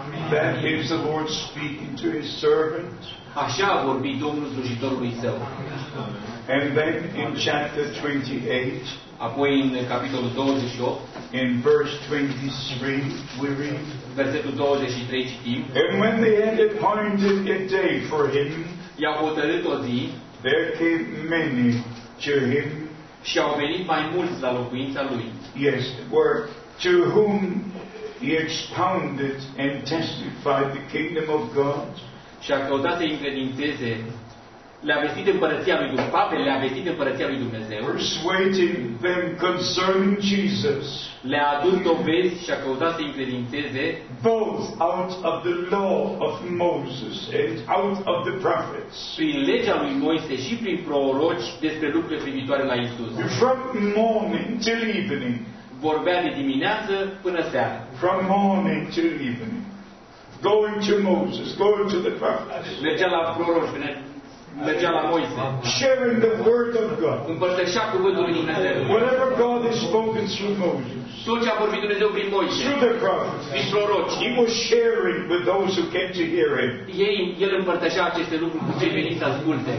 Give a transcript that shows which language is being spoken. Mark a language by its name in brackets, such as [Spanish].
[English] That is the Lord speaking to his servant. [Romanian] Așa a vorbit Domnul slujitorului său. [English] And then in chapter 28, [Romanian] apoi în capitolul 28, [English] in verse 23, we read, [Romanian] versetul 23 citim, [English] and when they had appointed a day for him, [Romanian] i-au hotărât o zi, [English] there came many to him. [Romanian] Și au venit mai mulți la locuința lui. [English] Yes, were to whom he expounded and testified the kingdom of God. [Romanian] Și a căutat să-i încredințeze, le-a vestit împărăția lui Dumnezeu. Papele le-a vestit împărăția lui Dumnezeu. [English] Persuading them concerning Jesus. [Romanian] Le-a adus dovezi și a căutat să-i încredințeze. [English] Both out of the law of Moses and out of the prophets. [Romanian] Prin legea lui Moise și prin proroci despre lucrurile privitoare la Iisus. [English] From morning till evening. [Romanian] Vorbea de dimineață până seara. [English] From morning till evening. Going to Moses, going to the prophets. [Romanian] Mergea la proroci, mergea la Moise. [English] Sharing the word of God. [Romanian] Împărtășea cuvântul lui Dumnezeu. [English] Whatever God has spoken through Moses. [Romanian] Tot ce a vorbit Dumnezeu prin Moise. [English] Through the prophets. [Romanian] Prin proroci. [English] He was sharing with those who came to hear him. [Romanian] El împărtășea aceste lucruri cu cei veniți să asculte.